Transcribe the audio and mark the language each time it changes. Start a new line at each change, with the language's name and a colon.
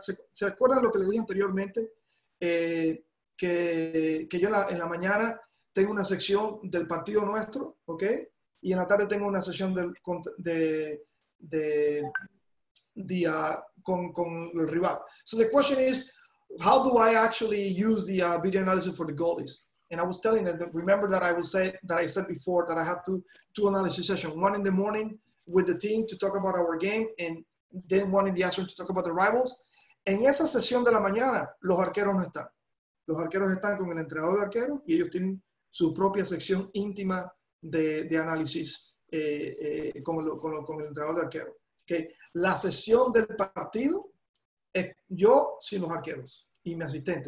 Spanish: ¿Se acuerdan lo que les dije anteriormente? Que yo en la mañana tengo una sección del partido nuestro, ¿ok? Y en la tarde tengo una sesión con el rival.
English: So the question is, how do I actually use the video analysis for the goalies? And I was telling them, remember that I said before that I have two analysis sessions, one in the morning with the team to talk about our game, and then one in the afternoon to talk about the rivals.
Spanish: En esa sesión de la mañana, los arqueros no están. Los arqueros están con el entrenador de arqueros y ellos tienen su propia sección íntima de análisis con el entrenador de arqueros. Okay. La sesión del partido es yo sin los arqueros y mi asistente.